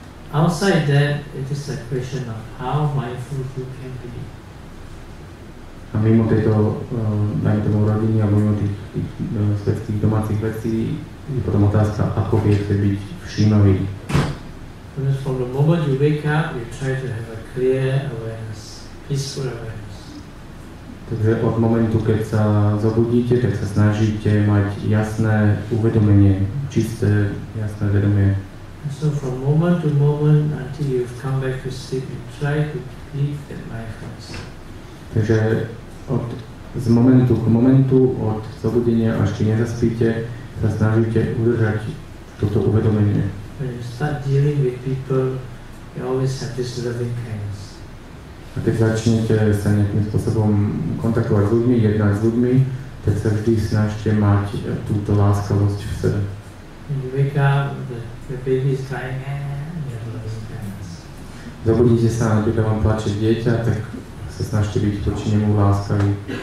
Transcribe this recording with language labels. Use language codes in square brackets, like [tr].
[en] Outside that, it is a question of how mindful you can be. [sk] A mimo tejto, dajme tomu rodiny a mimo tých svetských domácich vecí, je potom otázka, ako viete byť všímaví. [en] And then from the moment you wake up, you try to have a clear awareness, peaceful awareness. [sk] Takže od momentu, keď sa zobudíte, tak sa snažíte mať jasné uvedomenie, čisté, jasné vedomie. [en] And so from moment to moment, until you come back to sleep, you try to live that mindfulness. [sk] Takže od z momentu k momentu, od zobudenia, až či nezaspíte, sa snažíte udržať toto uvedomenie. [en] When you start dealing with people, you always have this loving kindness. [sk] A keď začnete sa nejakým spôsobom kontaktovať s ľuďmi, jednať s ľuďmi, tak sa vždy snažte mať túto láskavosť v sebe. [en] When you wake up, the baby is crying, and you have loving kindness. [sk] Zobudíte sa, keď vám plače dieťa, tak sa snažte byť voči nemu láskavý.